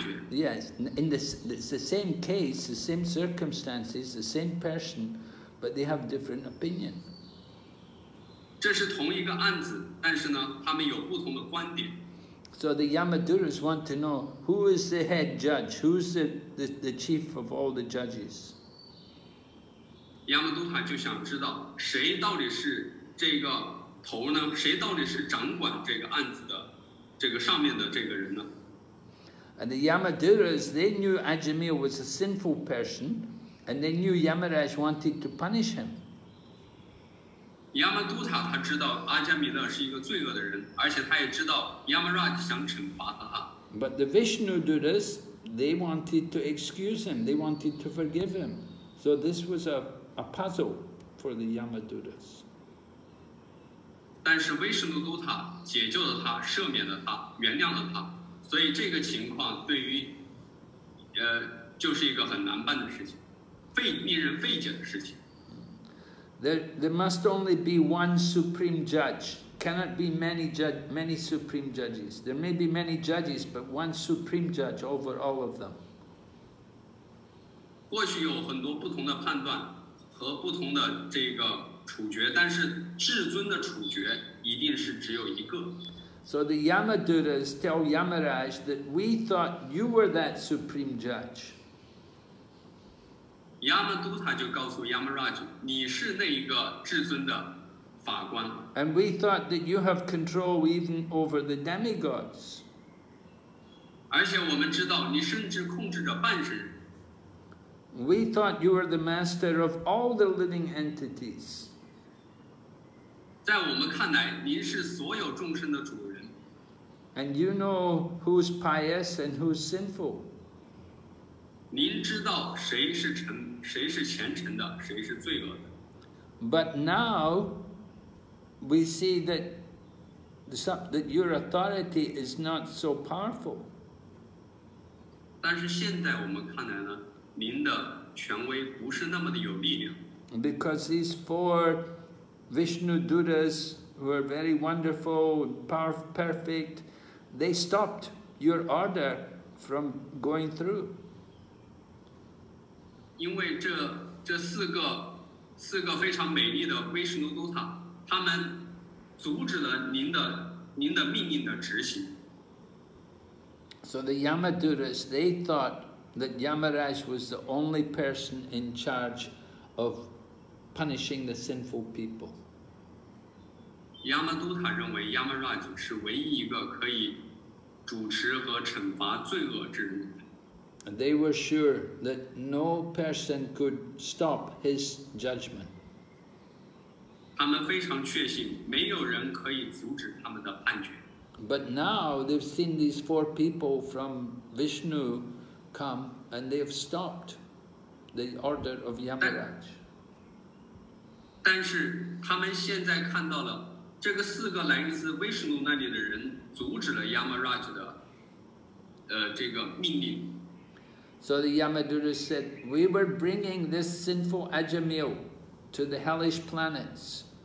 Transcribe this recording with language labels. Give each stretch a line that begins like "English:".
English: Yes, in this, it's the same case, the same circumstances, the same person, but they have different opinion.
Chinese: 这是同一个案子，但是呢，他们有不同的观点。
English: So the Yamaduras want to know who is the head judge, who's the chief of all the judges.
Chinese: Yamadutta 就想知道谁到底是这个头呢？谁到底是掌管这个案子的这个上面的这个人呢？
English: And the Yamaduras, they knew Ajameya was a sinful person, and they knew Yamaraj wanted to punish him.
Chinese: Yamadutta, 他知道阿加米勒是一个罪恶的人，而且他也知道 Yamaraj 想惩罚他。
English: But the Vishnududas, they wanted to excuse him, they wanted to forgive him. So this was a puzzle for the Yamaduras.
Chinese: 但是 Vishnududutta 解救了他，赦免了他，原谅了他。所以这个情况对于，就是一个很难办的事情，令人费解的事情。
English: There must only be one supreme judge. Cannot be many supreme judges. There may be many judges, but one supreme judge over all of them.
Chinese: 过去有很多不同的判断和不同的这个处决，但是至尊的处决一定是只有一个。
English: So the Yamaduras tell Yamaraj that we thought you were that supreme judge.
Chinese: Yamadutta 就告诉 Yamaraj, 你是那一个至尊的法官。
English: And we thought that you have control even over the demigods.
Chinese: 而且我们知道你甚至控制着半神。
English: We thought you were the master of all the living entities.
Chinese: 在我们看来，您是所有众生的主人。
English: And you know who's pious and who's sinful.
Chinese: 您知道谁是虔诚的，谁是罪恶的。
English: But now, we see that your authority is not so powerful.
Chinese: 但是现在我们看来呢，您的权威不是那么的有力量。
English: Because these four. Vishnududas were very wonderful, perfect. They stopped your order from going through.
Chinese: 因为这四个非常美丽的 Vishnududas, 他们阻止了您的命令的执行。
English: So the Yamaduras, they thought that Yamaraj was the only person in charge of punishing the sinful people.
Chinese: Yamadutta 认为 Yamaraj 是唯一一个可以主持和惩罚罪恶之人。
English: They were sure that no person could stop his judgment.
Chinese: 他们非常确信没有人可以阻止他们的判决。
English: But now they've seen these four people from Vishnu come and they've stopped the order of Yamaraj.
Chinese: 但是他们现在看到了这个四个来自威士奴那里的人阻止了 Yamaraj 的这个命令。
English: So the Yamaduras said, we were bringing this sinful Ajameya to the hellish planets.